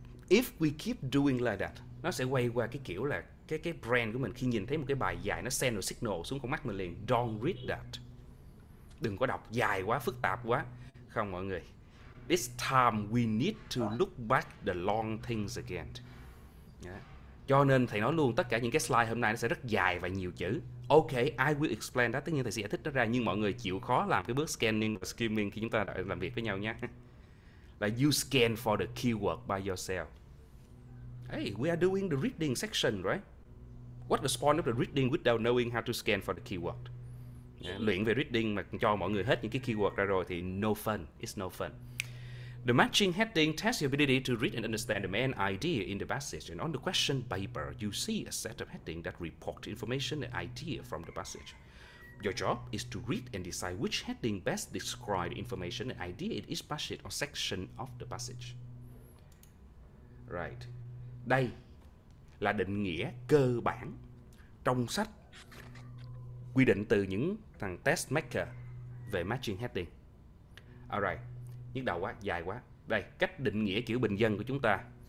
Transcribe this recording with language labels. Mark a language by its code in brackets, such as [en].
[en] If we keep doing like that, [vi] nó sẽ quay qua cái kiểu là cái brand của mình khi nhìn thấy một cái bài dài nó send được signal xuống con mắt mình liền. [en] Don't read that. [vi] Đừng có đọc dài quá, phức tạp quá. Không mọi người. [en] This time we need to look back the long things again. [vi] Cho nên thầy nói luôn tất cả những cái slide hôm nay nó sẽ rất dài và nhiều chữ. [en] Ok, I will explain that. [vi] Tất nhiên thầy sẽ giải thích nó ra, nhưng mọi người chịu khó làm cái bước scanning và skimming khi chúng ta làm việc với nhau nhé. [en] Là you scan for the keyword by yourself. Hey, we are doing the reading section, right? What's the point of the reading without knowing how to scan for the keyword? [vi] Luyện về reading mà cho mọi người hết những cái keyword ra rồi thì [en] no fun, it's no fun. The matching heading tests your ability to read and understand the main idea in the passage. And on the question paper, you see a set of headings that report information and idea from the passage. Your job is to read and decide which heading best describes information and idea in each passage or section of the passage. Right. [vi] Đây là định nghĩa cơ bản trong sách quy định từ những thằng test maker về matching heading. Alright, nhức đầu quá, dài quá. Đây, cách định nghĩa kiểu bình dân của chúng ta.